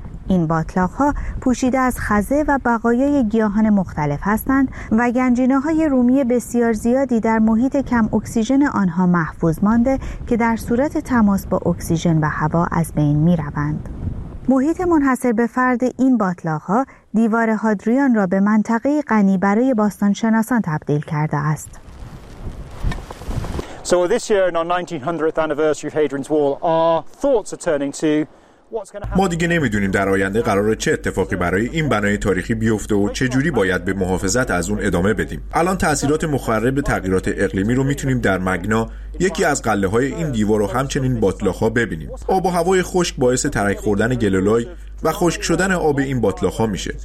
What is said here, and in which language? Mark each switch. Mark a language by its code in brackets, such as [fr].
[fa] این باتلاق‌ها پوشیده از خزه و بقایای گیاهان مختلف هستند و گنجینه‌های رومی بسیار زیادی در محیط کم اکسیژن آنها محفوظ مانده که در صورت تماس با اکسیژن و هوا از بین می‌روند. محیط منحصر به فرد این باتلاق‌ها دیوار هادریان را به منطقه غنی برای باستانشناسان تبدیل کرده است. [en] So this year on 1900th anniversary of Hadrian's Wall, our thoughts are turning to [fa] ما دیگه نمیدونیم در آینده قراره چه اتفاقی برای این بنای تاریخی بیفته و چه جوری باید به محافظت از اون ادامه بدیم. الان تأثیرات مخرب تغییرات اقلیمی رو میتونیم در مگنا، یکی از قله های این دیوار رو همچنین باتلاق ها ببینیم. آب و هوای خشک باعث ترک خوردن گلولای و خشک شدن آب این باتلاق ها میشه.